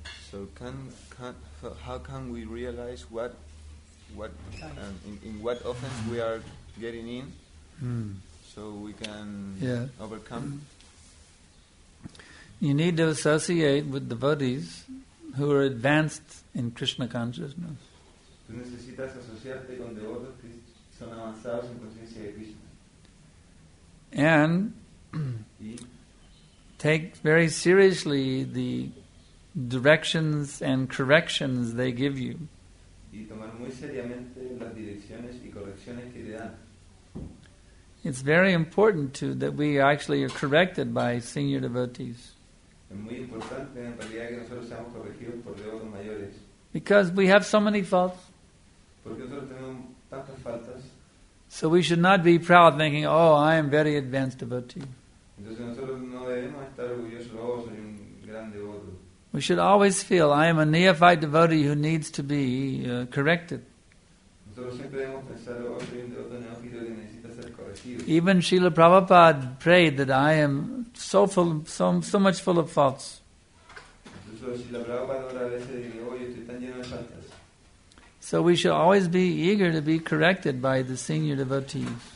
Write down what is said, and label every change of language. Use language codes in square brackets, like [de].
[en] So how can we realize what offense we are getting in, so we can overcome? You need to associate with devotees who are advanced in Krishna consciousness. [es] Tú necesitas asociarte con devotos que son avanzados en conciencia de Krishna. [en] And take very seriously the directions and corrections they give you. [es] Y tomar muy seriamente las direcciones y correcciones que te dan. [en] It's very important too that we actually are corrected by senior devotees. [es] Es muy importante en realidad que nosotros seamos corregidos por devotos mayores. [en] Because we have so many faults. [es] Porque nosotros tenemos tantas faltas. [en] So we should not be proud thinking, oh, I am very advanced devotee. [es] Entonces nosotros no debemos estar orgullosos, oh, soy un gran devoto. [en] We should always feel, I am a neophyte devotee who needs to be corrected. [es] Nosotros siempre debemos pensar, oh, soy un devoto neófito que necesita ser corregido. [en] Even Srila Prabhupada prayed that I am so much full of faults. [es] Incluso Srila Prabhupada ora a veces dice, oh, yo estoy tan lleno de faltas. [en] So we should always be eager to be corrected by the senior devotees.